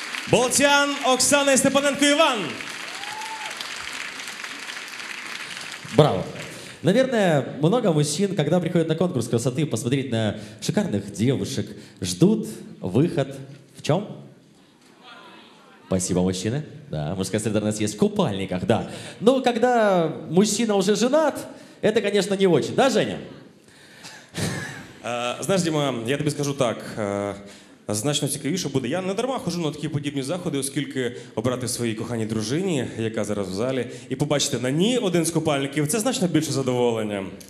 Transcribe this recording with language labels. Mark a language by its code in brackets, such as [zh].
[uk] Болтян, Оксана і Степаненко Іван. Браво. [ru] Наверное, много мужчин, когда приходят на конкурс красоты, посмотреть на шикарных девушек, ждут выход в чем? Спасибо, мужчины. Да, мужская солидарность есть в купальниках, да. Но когда мужчина уже женат, это, конечно, не очень. Да, Женя? Знаешь, Дима, я тебе скажу так. [uk] Значно цікавіше буде. Я не дарма ходжу на такі подібні заходи, оскільки обрати своїй коханій дружині, яка зараз в залі, і побачити на ній один з купальників – це значно більше задоволення.